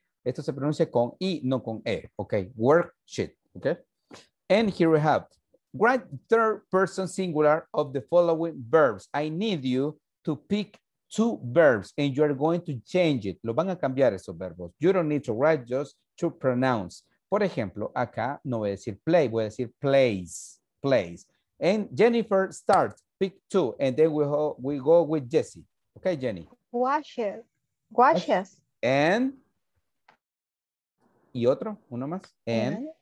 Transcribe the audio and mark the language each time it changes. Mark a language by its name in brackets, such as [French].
[Spanish] Esto se pronuncia con I, no con E. [English] Okay. Worksheet. Okay. And here we have. Write third person singular of the following verbs. I need you to pick two verbs and you are going to change it. [Spanish] Lo van a cambiar esos verbos. [English] You don't need to write just to pronounce. [Spanish] Por ejemplo, acá no voy a decir play. Voy a decir plays. Plays. [English] And Jennifer, start. Pick two. And then we go with Jesse. Okay, Jenny. Washes. [Spanish] And. Y otro, uno más. And.